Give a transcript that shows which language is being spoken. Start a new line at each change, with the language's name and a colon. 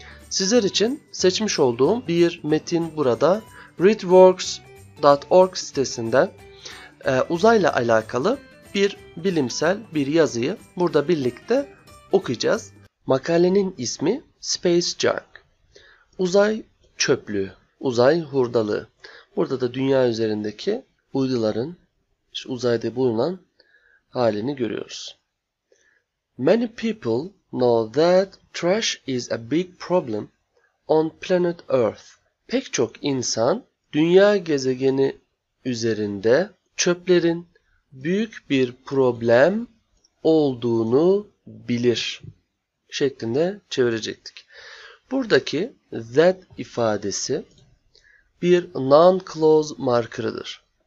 Turkish: Sizler için seçmiş olduğum bir metin burada readworks.org sitesinden uzayla alakalı bir bilimsel bir yazıyı burada birlikte okuyacağız. Makalenin ismi Space Junk. Uzay çöplüğü, uzay hurdalığı. Burada da dünya üzerindeki uyduların işte uzayda bulunan halini görüyoruz.
English: Many people know that trash is a big problem on planet Earth.
Turkish: Pek çok insan dünya gezegeni üzerinde çöplerin büyük bir problem olduğunu bilir şeklinde çevirecektik. Buradaki that ifadesi bir non-clause markerıdır.